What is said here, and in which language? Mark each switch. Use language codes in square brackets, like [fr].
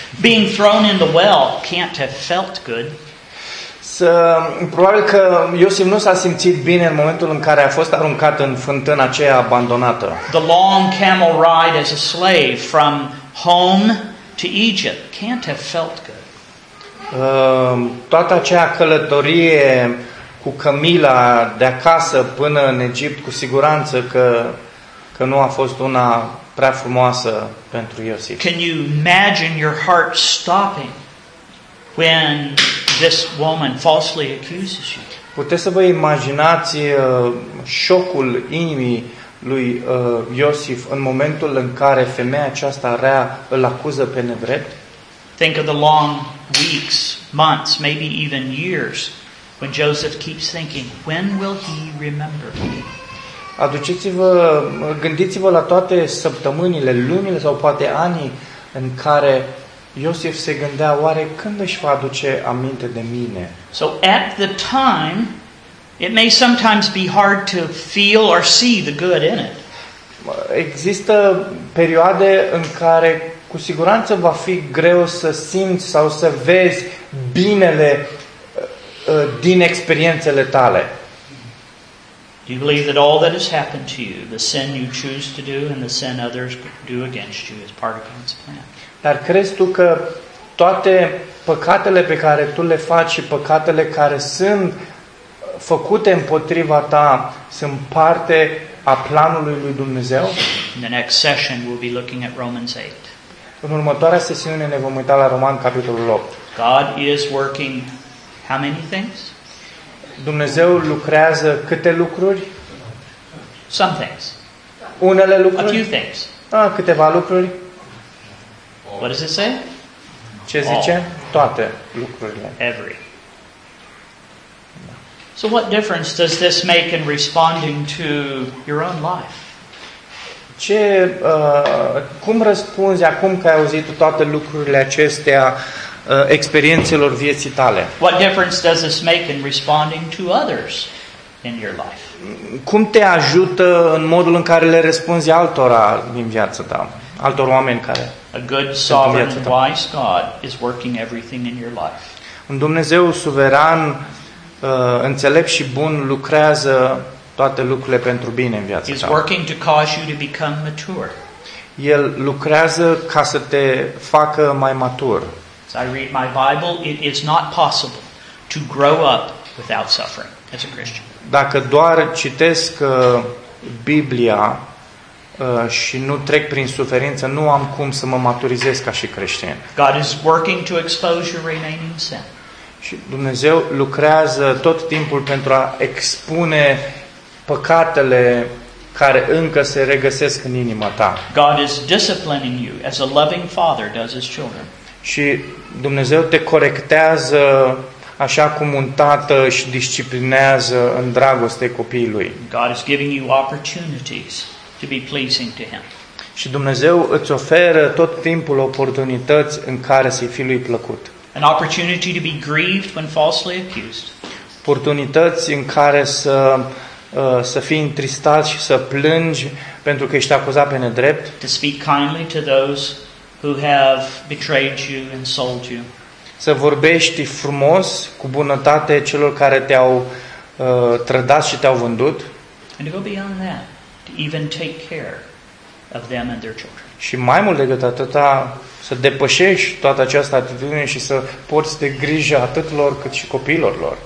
[en] Being thrown in the well can't have felt good. [ro] Să, probabil că Iosif nu s-a simțit bine în momentul în care a fost aruncat în fântâna aceea abandonată. [en] The long camel ride as a slave from home to Egypt can't have felt good. [ro] Toată acea călătorie cu Camila de acasă până în Egipt, cu siguranță că nu a fost una prea frumoasă pentru Iosif. [en] Can you imagine your heart stopping when this woman falsely accuses you? [ro] Puteți să vă imaginați șocul inimii lui Iosif în momentul în care femeia aceasta rea îl acuză pe nedrept? [en] Think of the long weeks, months, maybe even years when Joseph keeps thinking, when will he remember me? [ro] Aduceți-vă, gândiți-vă la toate săptămânile, lunile sau poate anii în care Iosif se gândea, oare când își va aduce aminte de mine? [en] So at the time, it may sometimes be hard to feel or see the good in it. [ro] Există perioade în care cu siguranță va fi greu să simți sau să vezi binele din experiențele tale. [en] Do you believe that all that has happened to you, the sin you choose to do and the sin others do against you, is part of God's plan? [ro] Dar crezi tu că toate păcatele pe care tu le faci și păcatele care sunt făcute împotriva ta sunt parte a planului lui Dumnezeu? [en] In the next session we'll be looking at Romans 8. [ro] În următoarea sesiune ne vom uita la Roman capitolul 8. [en] God is working how many things? [ro] Dumnezeu lucrează câte lucruri? [en] Some things. [ro] Unele lucruri. [en] A few things. [ro] Ah, câteva lucruri. [en] What does it say? [ro] Ce zice? All. Toate lucrurile. [en] Every. So what difference does this make in responding to your own life? [ro] Ce, cum răspunzi acum că ai auzit toate lucrurile acestea experiențelor vieții tale? [en] What difference does this make in responding to others in your life? [ro] Cum te ajută în modul în care le răspunzi altora din viața ta, altor oameni care? [en] A good sovereign wise God is working everything in your life. [ro] Un Dumnezeu suveran, înțelept și bun lucrează toate lucrurile pentru bine în viața ta. [en] He's working to cause you to become mature. [ro] El lucrează ca să te facă mai matur. [en] As I read my Bible, it is not possible to grow up without suffering as a Christian. [ro] Dacă doar citesc Biblia și nu trec prin suferință, nu am cum să mă maturizez ca și creștin. [en] God is working to expose your remaining sin. [ro] Și Dumnezeu lucrează tot timpul pentru a expune păcatele care încă se regăsesc în inima ta. [en] God is disciplining you as a loving father does his children. [ro] Și Dumnezeu te corectează așa cum un tată își disciplinează în dragoste copiii lui. [en] God is giving you opportunities to be pleasing to him. [ro] Și Dumnezeu îți oferă tot timpul oportunități în care să-i fii lui plăcut. [en] An opportunity to be grieved when falsely accused. [ro] Oportunități în care să fii întristat și să plângi pentru că ești acuzat pe nedrept. [en] To speak kindly to those who have betrayed you and sold you. [ro] Să vorbești frumos cu bunătate celor care te-au trădat și te-au vândut. [en] And to go beyond that, to even take care of them and their children. [ro] Și mai mult decât atâta, să depășești toată această atitudine și să porți de grijă atât lor cât și copiilor lor.